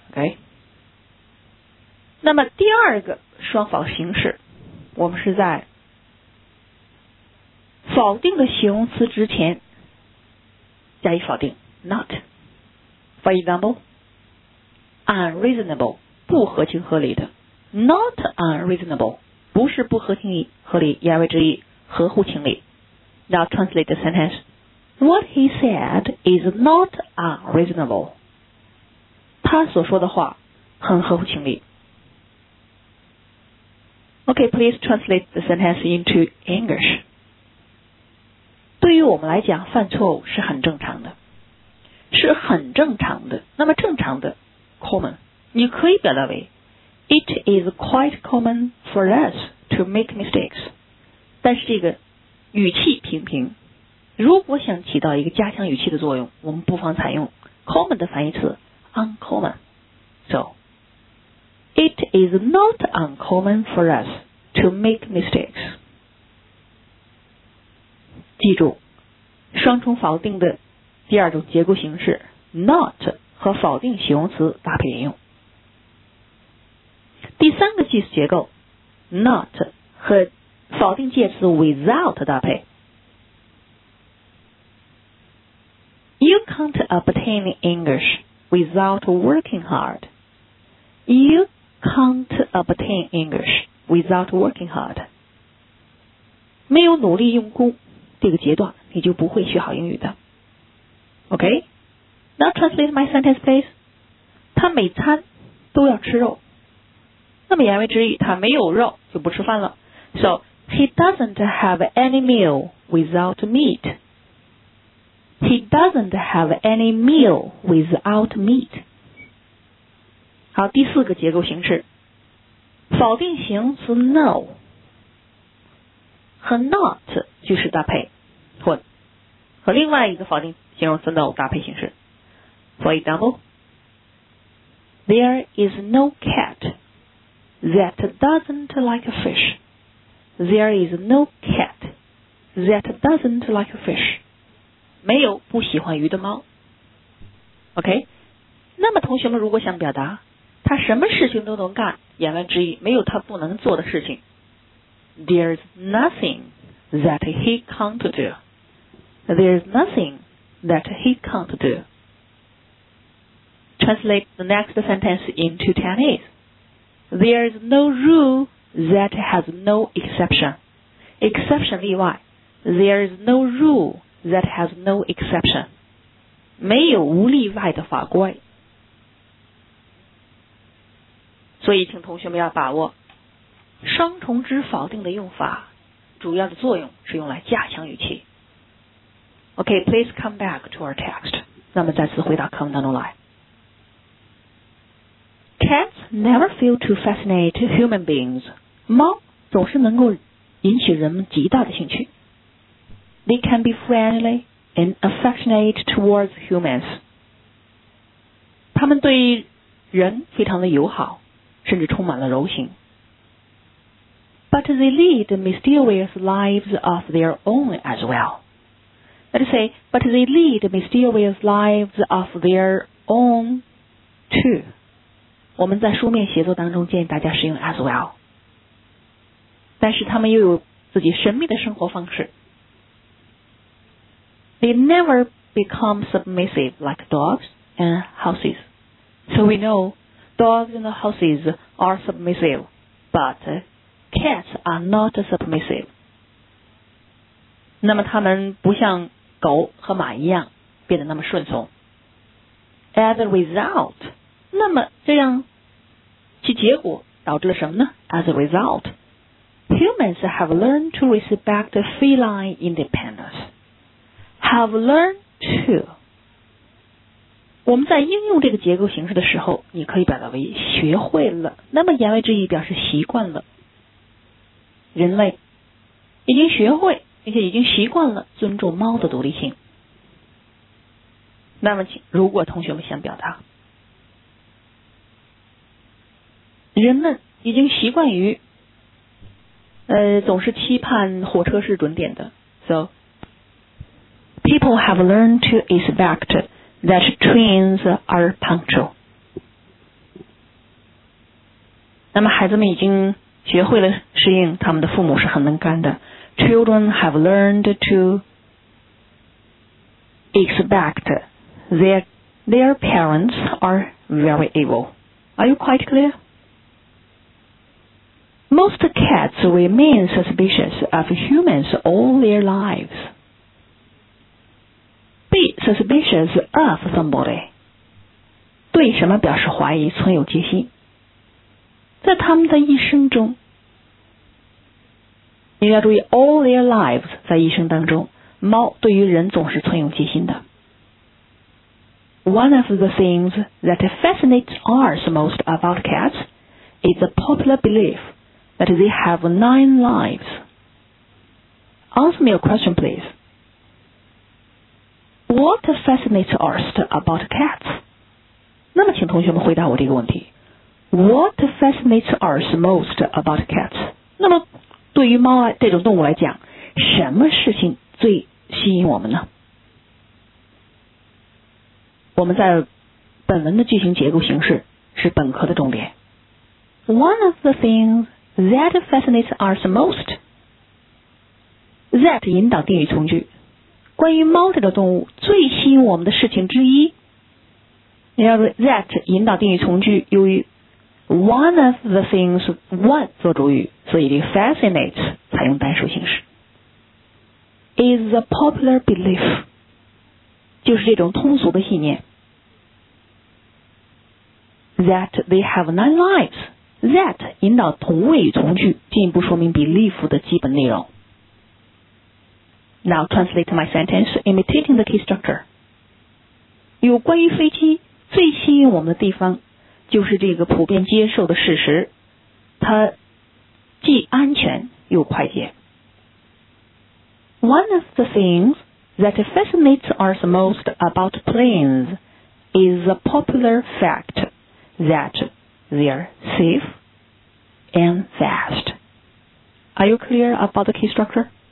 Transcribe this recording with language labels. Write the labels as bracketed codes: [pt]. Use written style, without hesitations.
[zh] OK, 那么第二个双否形式，我们是在否定的形容词之前加以否定 not。 [en] For example, unreasonable, [zh] 不合情合理的。 [en] Not unreasonable, [zh] 不是不合情合理，言外之意合乎情理。 [en] Now translate the sentence. What he said is not unreasonable. [zh] 他所说的话很合乎情理。 [en] Okay, please translate the sentence into English. [zh] 对于我们来讲，犯错误是很正常的，是很正常的。那么正常的 common, 你可以表达为 [en] It is quite common for us to make mistakes. [zh] 但是这个语气平平，如果想起到一个加强语气的作用，我们不妨采用 common 的反义词 uncommon. [en] So, It is not uncommon for us to make mistakes. [zh] 记住，双重否定的第二种结构形式 not 和否定形容词搭配连用。第三个句子结构 not 和否定介词 without 搭配。 [en] You can't obtain English without working hard. You can't obtain English without working hard. [zh] 没有努力用功这个阶段，你就不会学好英语的。 [en] OK, now translate my sentence please. [zh] 他每餐都要吃肉，那么言外之意他没有肉就不吃饭了。 [en] So he doesn't have any meal without meat. He doesn't have any meal without meat. [zh] 好，第四个结构形式否定形容词 no 和 not 句式搭配，或和另外一个否定形容词 no 搭配形式。 [en] For example, There is no cat that doesn't like a fish. There is no cat that doesn't like a fish. [zh] 没有不喜欢鱼的猫。 OK, 那么同学们如果想表达他什么事情都能干，言外之意没有他不能做的事情。 [en] There's nothing that he can't do. There's nothing that he can't do. Translate the next sentence into Chinese. There's no rule that has no exception. Exception 例外。 There's no rule that has no exception. [zh] 没有无例外的法规。所以请同学们要把握双重之否定的用法，主要的作用是用来加强语气。 [en] OK, please come back to our text. [zh] 那么再次回到课文当中来。 [en] Cats never fail to fascinate human beings. [zh] 猫总是能够引起人们极大的兴趣。 [en] They can be friendly and affectionate towards humans. [zh] 他们对人非常的友好，甚至充满了柔情。 [en] But they lead mysterious lives of their own as well. Let's say, but they lead mysterious lives of their own too. [zh] 我们在书面写作当中建议大家使用 [en] as well. [zh] 但是他们又有自己神秘的生活方式。 [en] They never become submissive like dogs. and houses. So we know dogs and houses are submissive, but cats are not submissive. [zh] 那么他们不像狗和马一样变得那么顺从。 [en] As a result, [zh] 那么这样其结果导致了什么呢？ [en] As a result, humans have learned to respect feline independence. Have learned to. [zh] 我们在应用这个结构形式的时候，你可以表达为学会了。那么言外之意表示习惯了。人类已经学会，并且已经习惯了尊重猫的独立性。那么请，如果同学们想表达人们已经习惯于总是期盼火车是准点的。 [en] So People have learned to expect that trains are punctual. [zh] 那么孩子们已经学会了适应他们的父母是很能干的。 [en] Children have learned to expect their parents are very able. Are you quite clear? Most cats remain suspicious of humans all their lives. Be suspicious of somebody. [zh] 对什么表示怀疑，存有戒心。在他们的一生中，你要注意 [en] all their lives [zh] 在一生当中，猫对于人总是存有戒心的。 [en] One of the things that fascinates us most about cats is the popular belief. That they have nine lives. Answer me a question, please. What fascinates us about cats? [zh] 那么请同学们回答我这个问题。 [en] What fascinates us most about cats? [zh] 那么对于猫来这种动物来讲，什么事情最吸引我们呢？我们在本文的句型结构形式是本科的重点。 [en] One of the things... That fascinates us most. [zh] That 引导定语从句，关于猫这个动物最吸引我们的事情之一。要是 that 引导定语从句，由于 [en] one of the things one [zh] 做主语，所以 fascinates 采用单数形式。 [en] Is a popular belief. [zh] 就是这种通俗的信念。 [en] That they have nine lives. [zh] That 引导同位语从句，进一步说明 belief 的基本内容。 [en] Now translate my sentence imitating the key structure. [zh] 有关于飞机最吸引我们的地方，就是这个普遍接受的事实，它既安全又快捷。 [en] One of the things that fascinates us most about planes is the popular fact that. They are safe and fast. Are you clear about the key structure?